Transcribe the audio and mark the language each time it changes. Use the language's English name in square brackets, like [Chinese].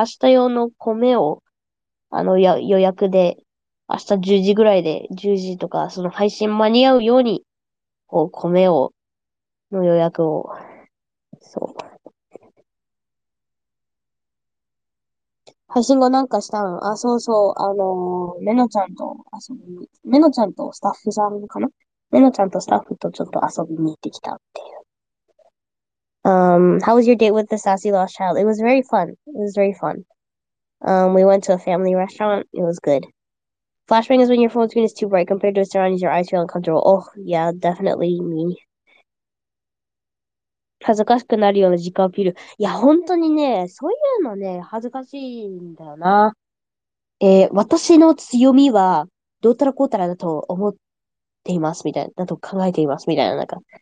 [Japanese] 用の米を、予約で、明日10時ぐらいで、10時とか、その配信間に合うように、こう、米を、の予約を、そう。配信後なんかしたん？あ、そうそう、めのちゃんと遊びに、めのちゃんとスタッフさんかな？めのちゃんとスタッフとちょっと遊びに行ってきたっていう。 [English] How was your date with the sassy lost child? It was very fun. It was very fun. We went to a family restaurant. It was good. Flashbang is when your phone screen is too bright compared to its surroundings, your eyes feel uncomfortable. Oh, yeah, definitely me. [Japanese] 恥ずかしくなるような自己アピール。いや、本当にね、そういうのね、恥ずかしいんだよな。私の強みは、どうたらこうたらだと思っています、みたいな、だと考えています、みたいな、なんか。